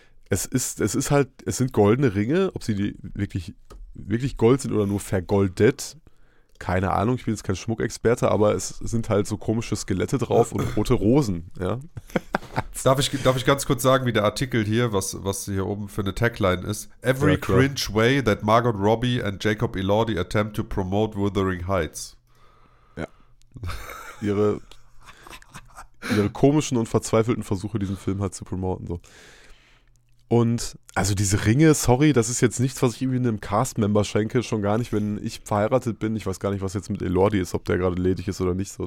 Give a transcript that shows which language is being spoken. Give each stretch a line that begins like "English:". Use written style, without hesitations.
German: Es ist halt, es sind goldene Ringe, ob sie die wirklich, wirklich Gold sind oder nur vergoldet. Keine Ahnung, ich bin jetzt kein Schmuckexperte, aber es sind halt so komische Skelette drauf und rote Rosen, ja. Darf ich ganz kurz sagen, wie der Artikel hier, was hier oben für eine Tagline ist? Ja,
English: Every
German: klar.
English: cringe way that Margot Robbie and Jacob Elordi attempt to promote Wuthering Heights.
German: Ihre komischen und verzweifelten Versuche, diesen Film halt zu promoten, so. Und also diese Ringe, sorry, das ist jetzt nichts, was ich irgendwie einem Cast-Member schenke, schon gar nicht, wenn ich verheiratet bin. Ich weiß gar nicht, was jetzt mit Elordi ist, ob der gerade ledig ist oder nicht. So,